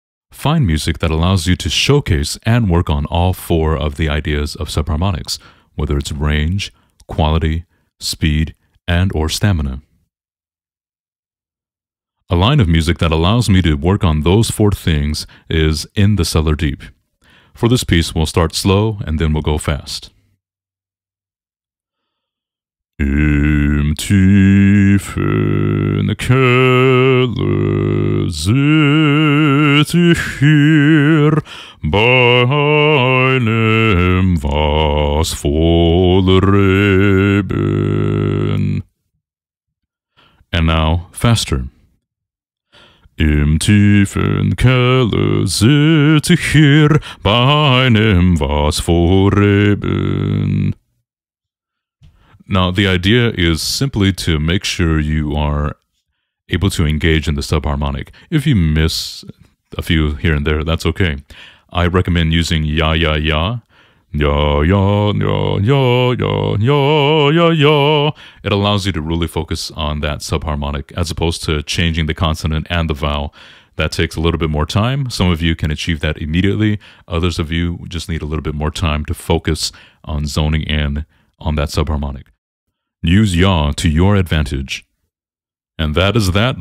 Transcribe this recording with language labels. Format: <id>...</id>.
<en>Find music that allows you to showcase and work on all four of the ideas of subharmonics, whether it's range, quality, speed, and or stamina. A line of music that allows me to work on those four things is In the Cellar Deep. For this piece, we'll start slow and then we'll go fast.</en> <de>Im tiefen Keller sitz ich hier bei einem Vas voll Reben.</de> <en>And now, faster.</en> <de>Im tiefen Keller sitz ich hier bei einem Vas voll Reben.</de> <en>Now, the idea is simply to make sure you are able to engage in the subharmonic. If you miss a few here and there, that's okay. I recommend using ya ya ya, ya ya ya ya ya ya ya ya. It allows you to really focus on that subharmonic as opposed to changing the consonant and the vowel. That takes a little bit more time. Some of you can achieve that immediately. Others of you just need a little bit more time to focus on zoning in on that subharmonic. Use yaw to your advantage. And that is that.</en>